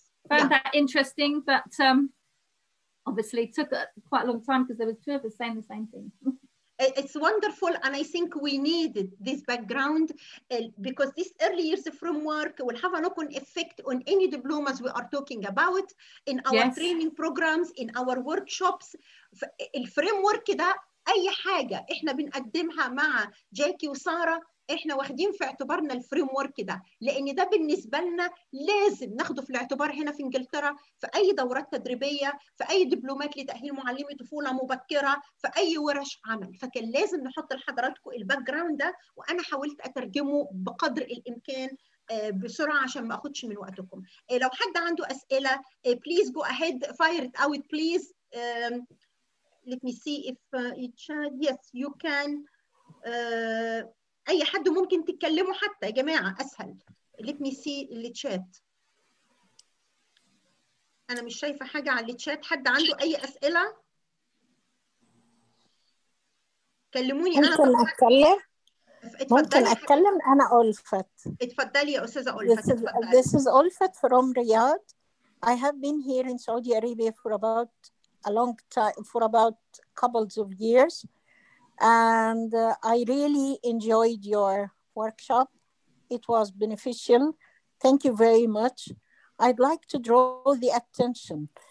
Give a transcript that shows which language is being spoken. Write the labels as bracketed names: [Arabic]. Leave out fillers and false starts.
[English] I found that interesting, but obviously it took quite a long time because there was two of us saying the same thing. It's wonderful, and I think we needed this background because this early years framework will have a knock-on effect on any diplomas we are talking about in our training programs, in our workshops. [Arabic] The framework ده أي حاجة إحنا بنقدمها مع جاكي وسارة. احنا واخدين في اعتبارنا الفريم ورك ده لان ده بالنسبه لنا لازم ناخده في الاعتبار هنا في انجلترا في اي دورات تدريبيه في اي دبلومات لتاهيل معلمي طفوله مبكره في اي ورش عمل فكان لازم نحط لحضراتكم الباك جراوند ده وانا حاولت اترجمه بقدر الامكان بسرعه عشان ما اخدش من وقتكم لو حد عنده اسئله [English] please go ahead fire it out please let me see if chat yes you can [Arabic] أي حد ممكن تتكلموا حتى يا جماعة أسهل [English] Let me see the chat [Arabic] أنا مش شايفة حاجة على الشات حد عنده أي أسئلة كلموني ممكن أنا أتكلم ممكن أتكلم أنا ألفت اتفضلي يا أستاذة ألفت [English] This is ألفت from Riyadh I have been here in Saudi Arabia for about a long time for about couples of years And I really enjoyed your workshop. It was beneficial. Thank you very much. I'd like to draw the attention.